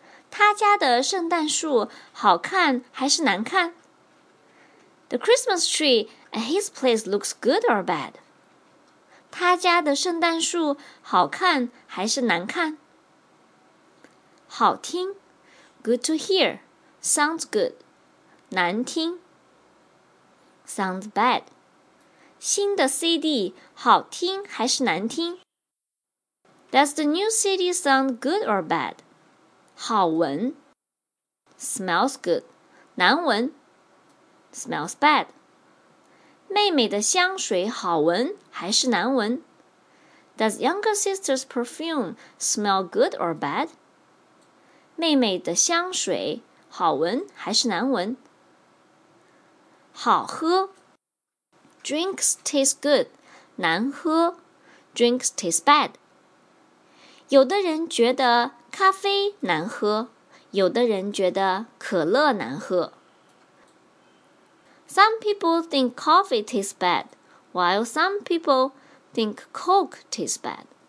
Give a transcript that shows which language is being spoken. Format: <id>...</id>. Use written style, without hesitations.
<zh>他家的圣诞树好看还是难看？</zh> <en>The Christmas tree at his place looks good or bad?</en> <zh>他家的圣诞树好看还是难看？好听</zh> <en>Good to hear. Sounds good.</en> <zh>难听</zh> <en>Sounds bad.</en> <zh>新的 CD 好听还是难听？</zh> <en>Does the new CD sound good or bad?</en> <zh>好闻</zh> <en>Smells good.</en> <zh>难闻</zh> <en>Smells bad.</en> <zh>妹妹的香水好闻还是难闻?</zh> <en>Does younger sister's perfume smell good or bad?</en> <zh>妹妹的香水好闻还是难闻?好喝</zh> <en>Drinks taste good,</en> <zh>难喝</zh> <en>Drinks taste bad.</en> <zh>有的人觉得咖啡难喝，有的人觉得可乐难喝。</zh> <en>Some people think coffee tastes bad, while some people think Coke tastes bad.</en>